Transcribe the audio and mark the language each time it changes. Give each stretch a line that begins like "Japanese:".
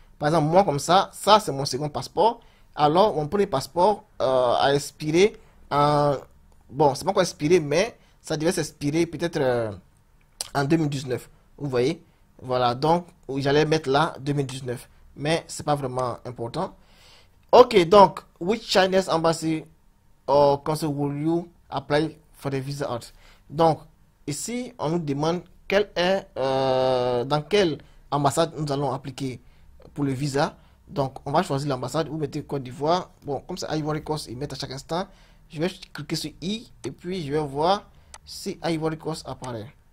French: Par exemple, moi comme ça c'est mon second passeport. Alors, mon premier passeport a expiré en. Bon, c'est pas encore expiré, mais ça devait s'expirer peut-être en 2019. Vous voyez? Voilà, donc j'allais mettre là 2019. Mais c'est pas vraiment important.
English: Ok,
French: donc,
English: which Chinese embassy or consul will you apply for the visa out?
French: Donc, ici, on nous demande quel est dans quelle ambassade nous allons appliquer pour le visa. Donc, on va choisir l'ambassade. Vous mettez Côte d'Ivoire. Bon, comme c'est Ivory Coast, ils mettent à chaque instant. Je vais cliquer sur I et puis je vais voir si Ivory Coast apparaît.